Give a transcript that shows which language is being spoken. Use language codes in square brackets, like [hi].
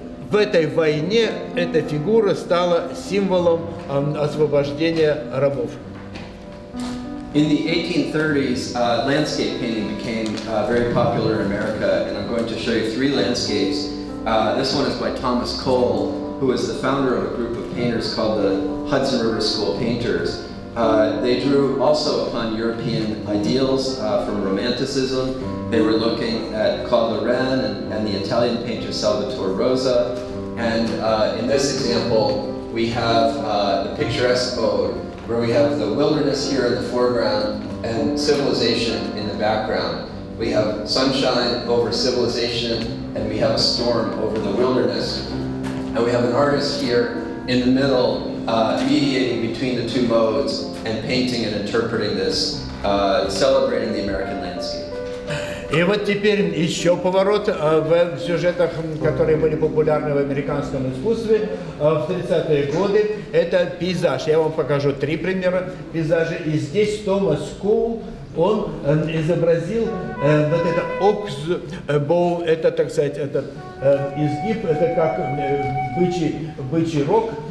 [ru] В этой войне эта фигура стала символом освобождения рабов. [en] In the 1830s, landscape painting became very popular in America, and I'm going to show you three landscapes. This one is by Thomas Cole, who is the founder of a group of painters called the Hudson River School Painters. They drew also upon European ideals from Romanticism. They were looking at Claude Lorrain and the Italian painter Salvatore Rosa. And in this example, we have the picturesque ode, where we have the wilderness here in the foreground and civilization in the background. We have sunshine over civilization, and we have a storm over the wilderness. And we have an artist here in the middle, mediating between the two modes and painting and interpreting this, celebrating the American landscape. [ru] И вот теперь еще поворот в сюжетах, которые были популярны в американском искусстве в 30-е годы. Это пейзаж. Я вам покажу три примера пейзажа. И здесь Томас Коул, он изобразил вот это oxbow, это, так сказать, этот изгиб, это как бычий рог.